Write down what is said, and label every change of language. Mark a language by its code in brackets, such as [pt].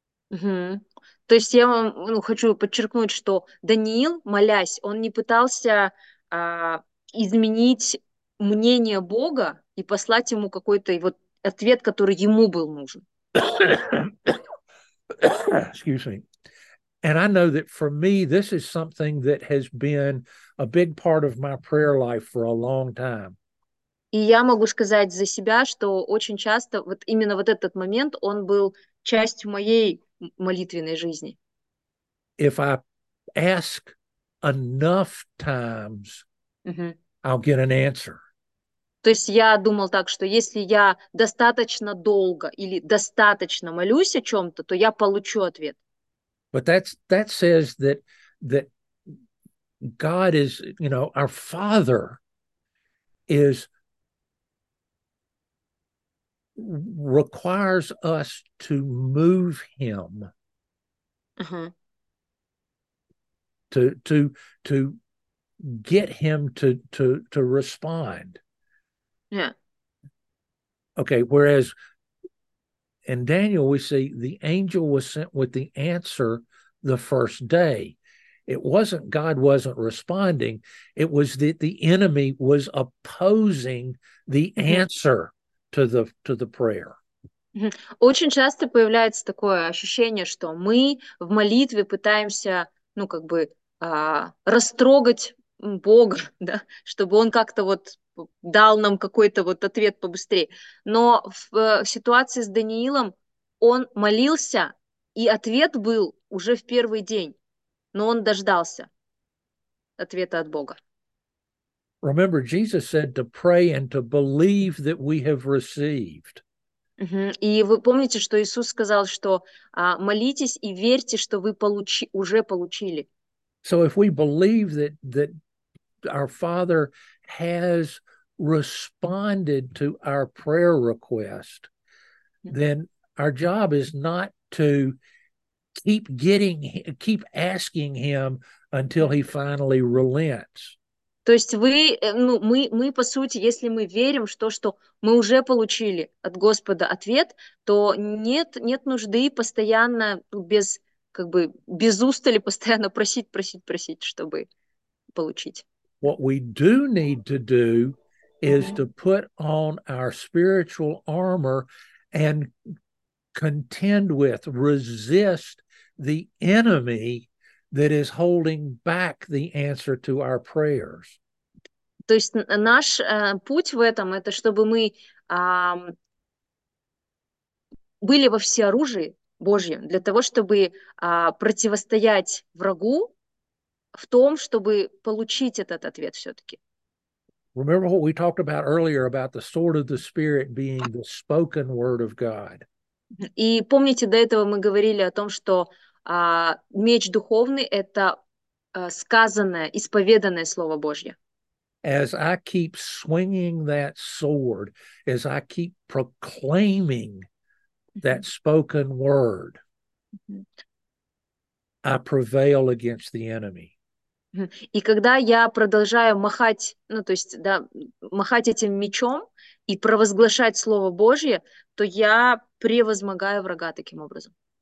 [ru] То есть я вам, ну, хочу подчеркнуть, что Даниил, молясь, он не пытался изменить мнение Бога и послать ему какой-то вот ответ, который ему был нужен. [en] Excuse me. And I know that for me, this is something that has been a big part of my prayer life for a long time. [ru] И я могу сказать за себя, что очень часто вот именно вот этот момент, он был частью моей молитвенной жизни. [en] If I ask enough times, I'll get an answer. [ru] То есть я думал так, что если я достаточно долго или достаточно молюсь о чем-то, то я получу ответ. [en] But that says that God is, you know, our Father is requires us to move Him to get Him to respond. Okay, whereas in Daniel we see the angel was sent with the answer the first day. It wasn't God wasn't responding, it was that the enemy was opposing the answer to the prayer. [ru] Очень часто появляется такое ощущение, что мы в молитве пытаемся, ну, как бы, растрогать Бога, да, чтобы он как-то вот дал нам какой-то вот ответ побыстрее. Но в ситуации с Даниилом он молился, и ответ был уже в первый день, но он дождался ответа от Бога. [en] Remember, Jesus said to pray and to believe that we have received. [ru] И вы помните, что Иисус сказал, что молитесь и верьте, что вы уже получили. [en] So if we believe that our Father has responded to our prayer request, then our job is not to keep asking him until he finally relents. [ru] То есть вы, ну, мы по сути, если мы верим, что мы уже получили от Господа ответ, то нет нужды постоянно без, как бы, без устали постоянно просить, чтобы получить. [en] What we do need to do is to put on our spiritual armor and contend with, resist the enemy that is holding back the answer to our prayers. [ru] То есть наш путь в этом, это чтобы мы были во всеоружии Божьем, для того, чтобы противостоять врагу в том, чтобы получить этот ответ все-таки. [en] Remember what we talked about earlier about the sword of the Spirit being the spoken word of God. [ru] И помните, до этого мы говорили о том, что меч духовный – это сказанное, исповеданное Слово Божье. [en] As I keep swinging that sword, as I keep proclaiming that spoken word, I prevail against the enemy. [ru] И когда я продолжаю махать, ну, то есть, да, махать этим мечом и провозглашать Слово Божье, то я превозмогаю врага таким образом.